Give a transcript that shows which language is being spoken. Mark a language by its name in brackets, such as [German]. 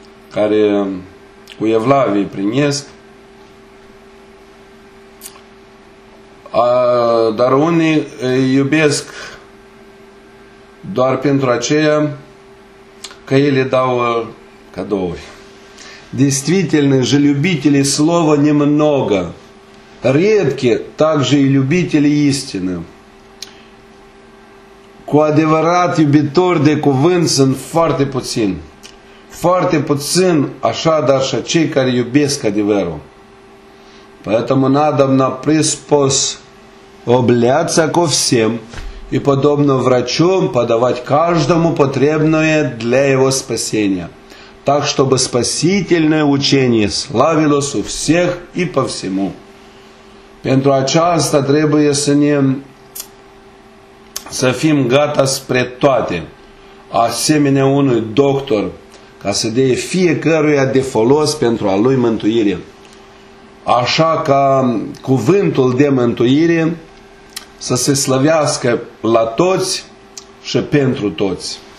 [Romanian] care cu evlavie îi primesc, dar unii îi iubesc doar pentru aceea că ei le dau cadouri. [Russian] Действительно же любители слова немного. Редки также и любители истины. [Romanian] Cu adevărat iubitori de cuvânt sunt foarte puțin. Foarte puțin, așadar și cei care iubesc adevărul. [Russian] Поэтому надобно приспособляться ко всем и подобно врачом подавать каждому потребное для его спасения, так чтобы спасительное учение славилось у всех и по всему. [Romanian] Pentru aceasta trebuie să ne să fim gata spre toate, asemenea unui doctor, ca să dea fiecăruia de folos pentru a lui mântuire. Așa ca cuvântul de mântuire să se slăvească la toți și pentru toți.